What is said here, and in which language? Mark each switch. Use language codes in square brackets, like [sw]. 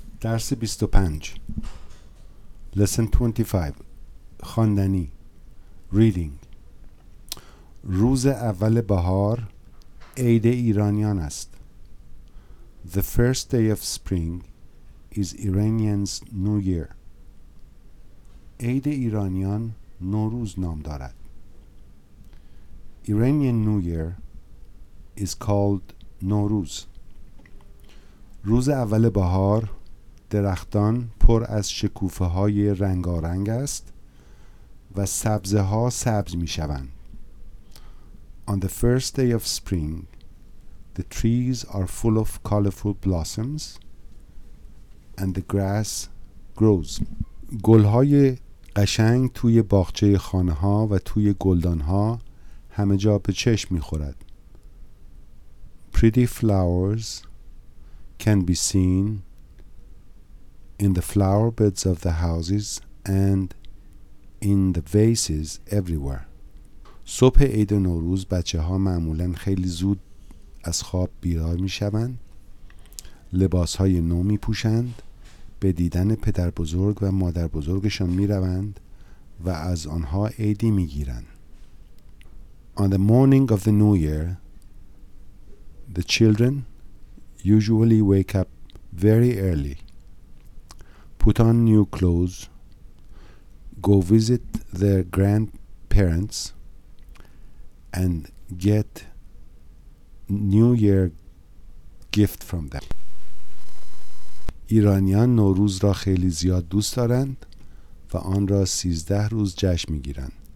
[fa] درس 25 Lesson 25 خواندنی Reading روز اول بهار عید ایرانیان است. [en] The first day of spring is Iranians' New Year. [fa] عید ایرانیان نوروز نام دارد. [en] Iranian New Year is called نوروز. [fa] روز اول بهار درختان پر از شکوفه های رنگارنگ است و سبزه ها سبز می شوند. [en] On the first day of spring, the trees are full of colorful blossoms and the grass grows. [fa] گل های قشنگ توی باغچه خانه ها و توی گلدان ها همه جا به چشم می خورد. [en] Pretty flowers can be seen in the flower beds of the houses and in the vases everywhere. [fa] صبح عید نوروز بچه ها معمولاً خیلی زود از خواب بیدار می شوند، لباس های نو می پوشند، به دیدن پدر بزرگ و مادر بزرگشان می روند و از آنها عیدی می گیرند. [en] On the morning of the new year, the children usually wake up very early, put on new clothes, go visit their grandparents, and get New Year gift from them. [fa] ایرانیان نوروز را خیلی زیاد دوست دارند و آن را 13 روز جشن می‌گیرند.